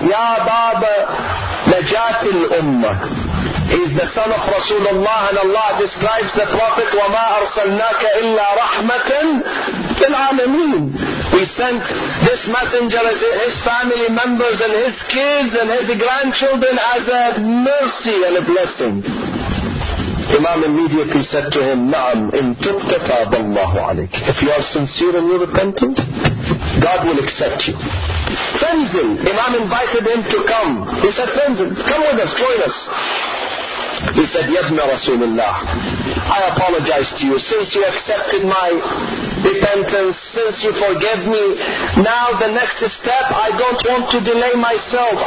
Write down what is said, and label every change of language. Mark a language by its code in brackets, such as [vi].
[ar] Ya Baba, najat al-umma. [en] He is the son of Rasulullah, and Allah describes the Prophet, [ar] وَمَا أَرْسَلْنَاكَ إِلَّا رَحْمَةً لِلْعَالَمِينَ. [en] We sent this messenger, his family members, and his kids, and his grandchildren as a mercy and a blessing. Imam immediately said to him, [ar] نَعَمْ إِن تُبْتَ تَابَ اللَّهُ عَلَيْكَ. [en] If you are sincere and you repentant, God will accept you. [ar] فَنْزِلْ. [en] Imam invited him to come. He said, [ar] فَنْزِلْ. [en] Come with us, join us. He said, [ar] يَبْنَ رَسُولِ اللَّهِ. [en] I apologize to you. Since you accepted my repentance, since you forgave me, now the next step, I don't want to delay myself.